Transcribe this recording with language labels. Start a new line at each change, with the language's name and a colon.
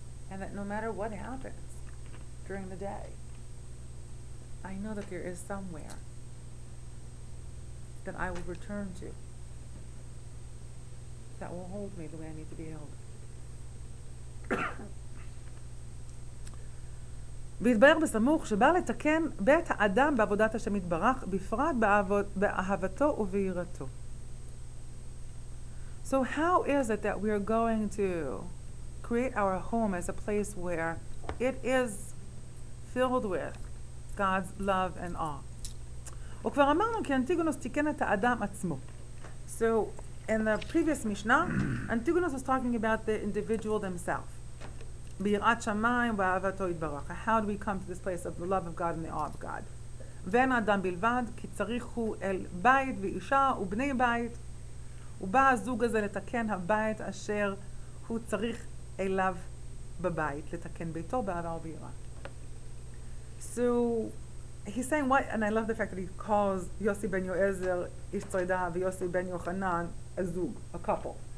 English: And that no matter what happens during the day, I know that there is somewhere that I will return to that will hold me the way I need to be held.
Hebrew: והתבהר בסמוך שבא לתקן בית האדם בעבודת השם יתברך, בפרט באהבתו ובהירתו.
English: So how is it that we are going to create our home as a place where it is filled with God's love and awe?
Hebrew: וכבר אמרנו כי אנטיגונוס תיקן את האדם עצמו.
English: So in the previous Mishnah, Antigonus was talking about the individual themselves.
Hebrew: ביראת שמיים ואהבתו יתברך.
English: How do we come to this place of the love of God and the awe of God?
Hebrew: ואין אדם בלבד, כי צריך הוא אל בית ואישה ובני בית. ובא הזוג הזה לתקן הבית אשר הוא צריך אליו בבית, לתקן ביתו באהבה וביראה.
English: So he's saying what, and I love the fact that he calls יוסי בן יועזר איש צרידה ויוסי בן יוחנן a zug, a couple.